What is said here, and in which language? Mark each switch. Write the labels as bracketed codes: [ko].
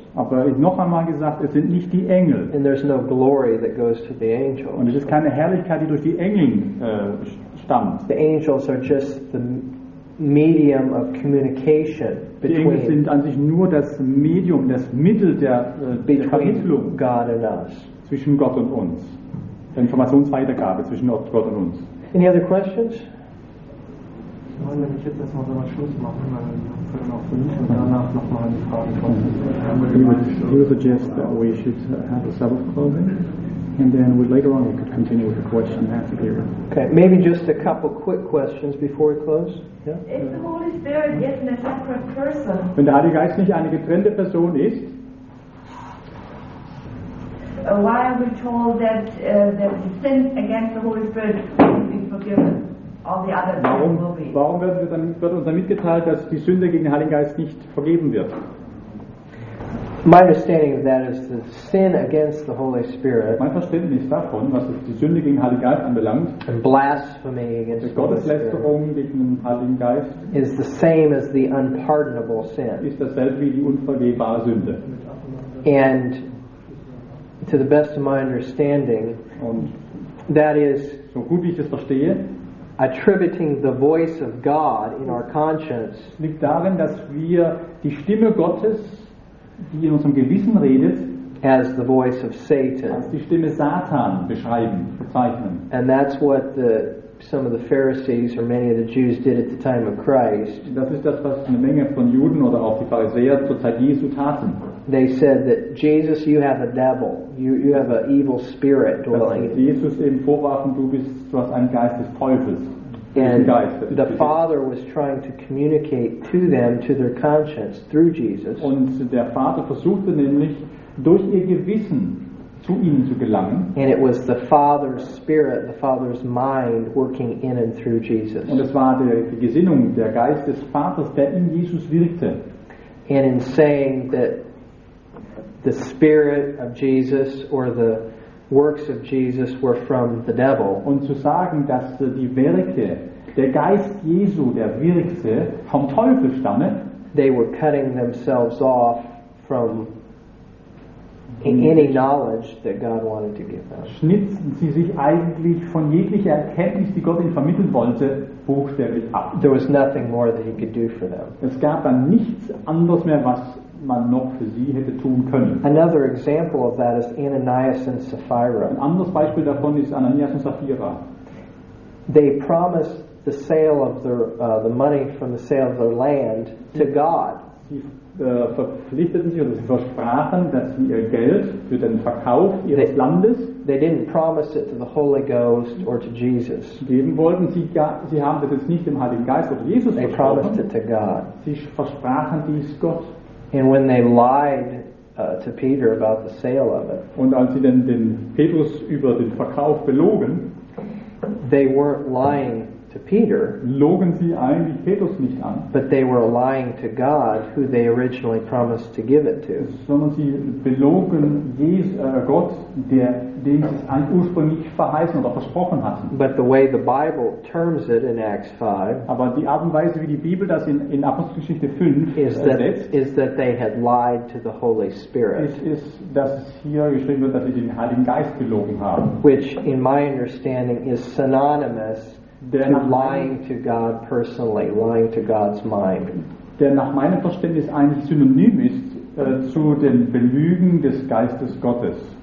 [de] Aber noch einmal gesagt, es sind nicht die Engel. [en] And there's no glory that goes to the angels. [de] Und es ist keine Herrlichkeit, die durch die Engel stammt. [en] The angels are just the medium of communication between. [de] Die Engel sind an sich nur das Medium, das Mittel der Vermittlung. [en] God and us. [de] Zwischen Gott und uns. Der Informationsweitergabe zwischen Gott und uns. [en] Any other questions? [de] Wenn ich jetzt erstmal so einen Schluss machen, dann können wir auch für mich und danach nochmal die Frage kommen. [en] You suggest that we should have a Sabbath closing, and then later on we could continue with the question after here. Okay, maybe just a couple quick questions before we close. Yeah? If the Holy Spirit is a separate person, [de] wenn der Heilige Geist nicht eine getrennte Person ist, [en] why are we told that that the sin against the Holy Spirit can be forgiven? [de] Warum wird uns dann mitgeteilt, dass die Sünde gegen den Heiligen Geist nicht vergeben wird? [en] My understanding of that is the sin against the Holy Spirit. [de] Mein Verständnis davon, was die Sünde gegen den Heiligen Geist anbelangt, [en] and blasphemy against the [de] Gotteslästerung gegen den Heiligen Geist, [en] is the same as the unpardonable sin. [de] Ist dasselbe wie die unvergebbare Sünde. [en] And to the best of my understanding, [de] und [en] that is [de] so gut wie ich das verstehe. [en] Attributing the voice of God in our conscience [de] liegt darin, dass wir die Stimme Gottes, die in unserem Gewissen redet, [en] as the voice of Satan, [de] als die Stimme Satan bezeichnen. [en] And that's what some of the Pharisees or many of the Jews did at the time of Christ. [de] Das ist das, was eine Menge von Juden oder auch die Pharisäer zur Zeit Jesu taten. [en] They said that Jesus, you have a devil. You have an evil spirit dwelling. [de] Dass Jesus eben vorwarfen, du hast einen Geist des Teufels. [en] And the Father was trying to communicate to them, to their conscience, through Jesus. [de] Und der Vater versuchte nämlich, durch ihr Gewissen zu ihnen zu gelangen. [en] And it was the Father's spirit, the Father's mind, working in and through Jesus. [de] Und es war die Gesinnung, der Geist des Vaters, der in Jesus wirkte. [en] And in saying that the spirit of Jesus or the works of Jesus were from the devil. [de] Und zu sagen, dass die Werke, der Geist Jesu, der wirkte, vom Teufel stamme, [en] they were cutting themselves off from any knowledge that God wanted to give them. [de] Schnitzten sie sich eigentlich von jeglicher Erkenntnis, die Gott ihnen vermitteln wollte, buchstäblich ab. [en] There was nothing more that he could do for them. [de] Es gab dann nichts anderes mehr, was man noch für sie hätte tun können. [en] Another example of that is Ananias and Sapphira. [de] Ein anderes Beispiel davon ist Ananias und Sapphira. [en] They promised the sale of their the money from the sale of their land to God. [de] Sie verpflichteten sich oder sie versprachen, dass sie ihr Geld für den Verkauf ihres Landes. [en] They didn't promise it to the Holy Ghost or to Jesus. [de] Geben wollten sie gar. Sie haben das jetzt nicht dem Heiligen Geist oder Jesus [en] they [de] versprochen. [en] Promised it to God. [de] Sie versprachen dies Gott. [en] And when they lied to Peter about the sale of it, [de] und als sie denn den Petrus über den Verkauf belogen, [en] they weren't lying to Peter. [de] Logen sie eigentlich Petrus nicht an? [en] But they were lying to God, who they originally promised to give it to. [de] Sondern sie belogen Gott, der dem sie es ursprünglich verheißen oder versprochen hatten. [en] But the way the Bible terms it in Acts 5, [de] aber die Art und Weise, wie die Bibel das in Apostelgeschichte 5 [en] is that they had lied to the Holy Spirit. [de] Ist, dass hier geschrieben wird, dass sie den Heiligen Geist gelogen haben. [en] Which, in my understanding, is synonymous [de] der [en] to lying to God personally, lying to God's mind. [de] Der nach meinem Verständnis eigentlich synonym ist zu dem Belügen des Geistes Gottes.